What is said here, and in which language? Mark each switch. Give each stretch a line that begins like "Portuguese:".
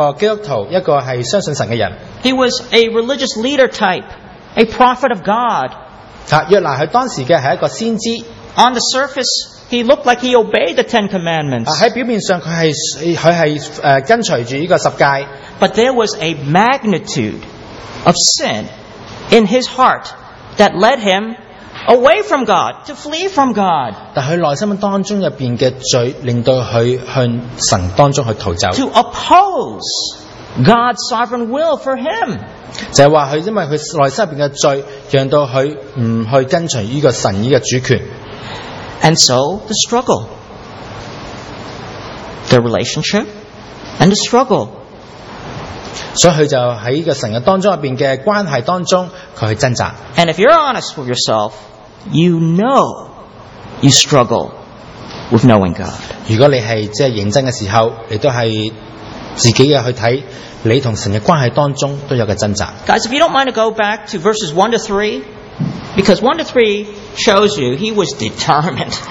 Chinese: 若拿他自己外面的，好像大家在座当中一样，都是一个基督徒，一个是相信神的人。
English: He was a religious leader type, a prophet of God.
Chinese: 若拿他当时的是一个先知。
English: On the surface, he looked like he obeyed the Ten Commandments.
Chinese: 在表面上，他是跟随着这个十诫。
English: But there was a magnitude of sin in his heart that led him away from God, to flee from God.
Chinese: 但他内心当中的罪，令到他向神当中去逃走。
English: To oppose God's sovereign will for him.
Chinese: 就是说他因为他内心里面的罪，让到他不去跟随这个神这个主权。
English: And so the struggle, the relationship, and the struggle.
Chinese: 所以他就在这个神的当中里面的关系当中，他去挣扎。
English: And if you're honest with yourself, you know you struggle with knowing God.
Chinese: 如果你是认真的时候，你都是自己去看你和神的关系当中都有个挣扎。
English: Guys, if you don't mind to go back to verses 1 to 3, because 1 to 3 shows you he was determined.